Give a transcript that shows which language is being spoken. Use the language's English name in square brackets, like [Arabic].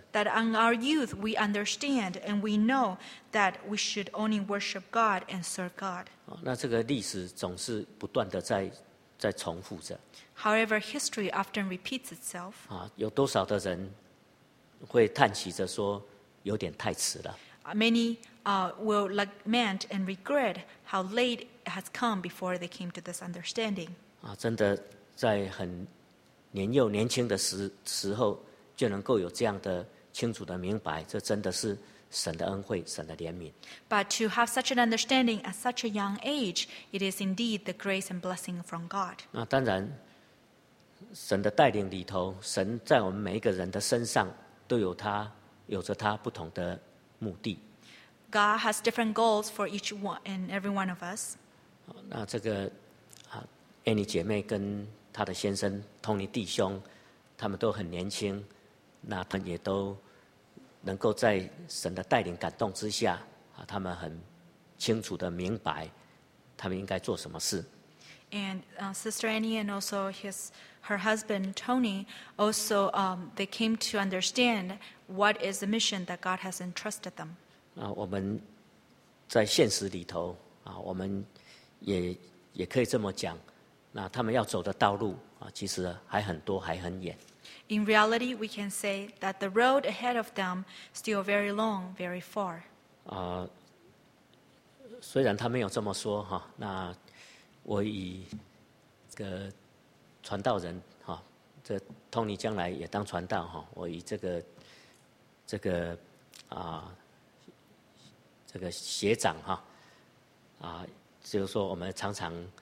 [English] That in our youth we understand and we know that we should only worship God and serve God. [Chinese] 那这个历史总是不断的在重复着。 [English] However, history often repeats itself. [Chinese] 有多少的人会叹息着说有点太迟了。 [English] Many will lament and regret how late it has come before they came to this understanding. [Chinese] 真的在很年幼年轻的时候就能够有这样的清楚的明白，这真的是神的恩惠，神的怜悯。 [English] But to have such an understanding at such a young age, it is indeed the grace and blessing from God. [Chinese] 那当然，神的带领里头，神在我们每一个人的身上都有着他不同的目的。 [English] God has different goals for each one and every one of us. [Chinese] 那这个Annie 姐妹跟他的先生同龄弟兄，他们都很年轻，那他们也都能够在神的带领感动之下，他们很清楚的明白他们应该做什么事。 [English] And Sister Annie and also her husband Tony also they came to understand what is the mission that God has entrusted them. [Chinese] 我们在现实里头我们也可以这么讲。那他们要走的道路其实还很多，还很远。 [English] In reality, we can say that the road ahead of them still very long, very far. [Chinese] 虽然他没有这么说那我以这个传道人这Tony将来也当传道我以这个学长就是说我们常常。